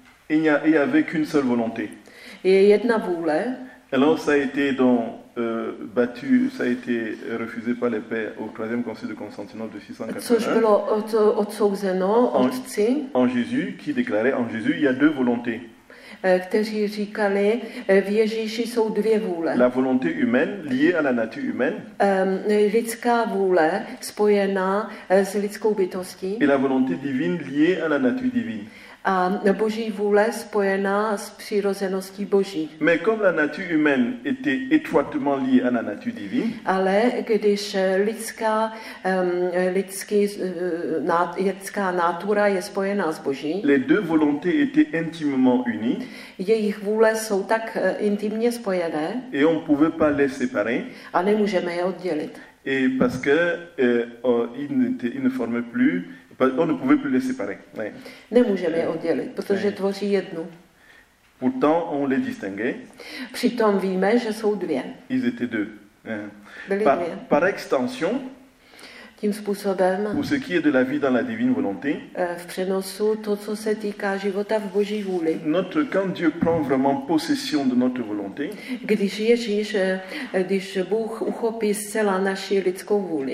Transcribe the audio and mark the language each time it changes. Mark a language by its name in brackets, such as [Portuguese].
[French] il y avait qu'une seule volonté [Czech] je jedna vůle [French] alors ça a été donc battu, ça a été refusé par les pères au troisième concile de Constantinople de 681. En Jésus, qui déclarait en Jésus, il y a deux volontés. [Czech] Kteří říkali, v Ježíši jsou dvě vůle. [French] La volonté humaine liée à la nature humaine. [Czech] Lidská vůle spojená s lidskou bytostí. [French] Et la volonté divine liée à la nature divine. [Czech] A boží vůle spojená s přirozeností boží. [French] Mais comme la nature humaine était étroitement liée à la nature divine. [Czech] Ale když lidská natura je spojená s boží. [French] Les deux volontés étaient intimement unies. [Czech] Jejich vůle jsou tak intimně spojené. [French] Et on pouvait pas les séparer. [Czech] A nemůžeme je oddělit. [French] Et parce que ils ne formaient plus on ne pouvait plus les séparer. Ouais. [Czech] Nemůžeme je oddělit, protože ouais. Tvoří jednu. [French] Pourtant, on les distinguait. [Czech] Přitom víme, že jsou dvě. [French] Ils étaient deux. Ouais. Par, par extension, [Czech] tím způsobem, [French] pour ce qui est de la vie dans la divine volonté, [Czech] v přenosu to, co se týká života v Boží vůli, [French] notre, quand Dieu prend vraiment possession de notre volonté, [Czech] když Ježíš, když Bůh uchopí zcela naši lidskou vůli,